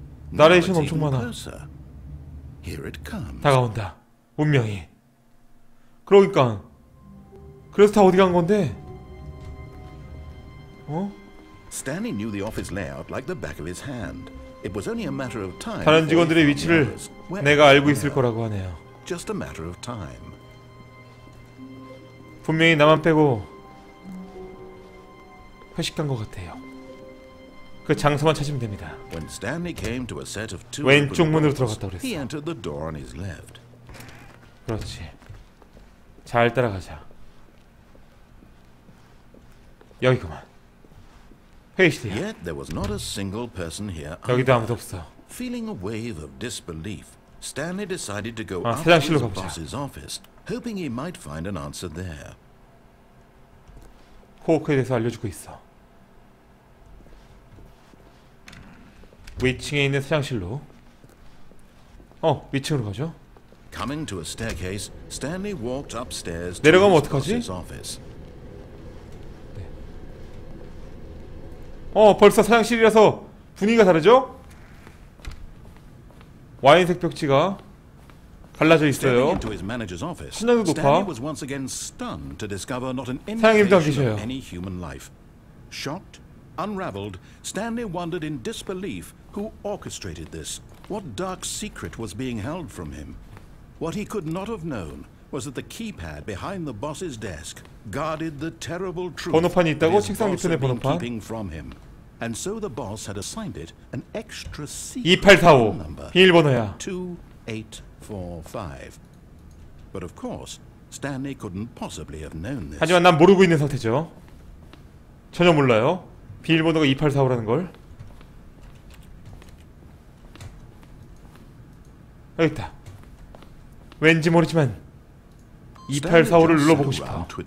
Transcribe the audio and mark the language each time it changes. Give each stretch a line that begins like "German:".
Korean: 나레이션 엄청 많아.
English: Here it comes.
Korean: 다가온다. 운명이. 그러니까. 그래서 다 어디 간 건데? 어?
English: Stanley knew the office layout like the back of his hand. It was only a matter of time.
Korean: 다른 직원들의 위치를 내가 알고 있을 거라고 하네요.
English: Just a matter of time.
Korean: 분명히 나만 빼고 회식 간 것 같아요. 그 장소만 찾으면 됩니다.
English: When Stanley came to a set of two
Korean: 왼쪽 문으로 들어갔다 그랬어.
English: He entered the door on his left.
Korean: 그렇지. 잘 따라가자. 여기구만. 회의실이야.
English: Yet there was not a single person here.
Korean: 여기도 아무도 없어.
English: Feeling a wave of disbelief, Stanley decided to go up to his boss's office, hoping he might find an answer there.
Korean: 호크에 대해서 알려주고 있어. 위층에 있는 사장실로. 어, 위층으로 가죠.
English: Coming to a staircase, Stanley walked upstairs.
Korean: 내려가면 어떡하지? Oh, 벌써 사장실이라서 분위기가 다르죠? 와인색 벽지가 갈라져 있어요. 신장도 높아. 사장님도 안 계셔요.
English: Any human life. Shocked, unraveled, Stanley wondered in disbelief who orchestrated this. What dark secret was being held from him? What he could not have known was that the keypad behind the boss's desk guarded the terrible truth.
Korean: 번호판이 있다고 책상 밑에 번호판.
English: And so the boss had assigned it an extra secret
Korean: 2845. number. 비밀번호야.
English: 2845. But of course, Stanley couldn't possibly have known this.
Korean: 하지만 난 모르고 있는 상태죠. 전혀 몰라요. 비밀번호가 2845라는 걸. 여기 있다. 왠지 모르지만 2845를 눌러보고 싶어.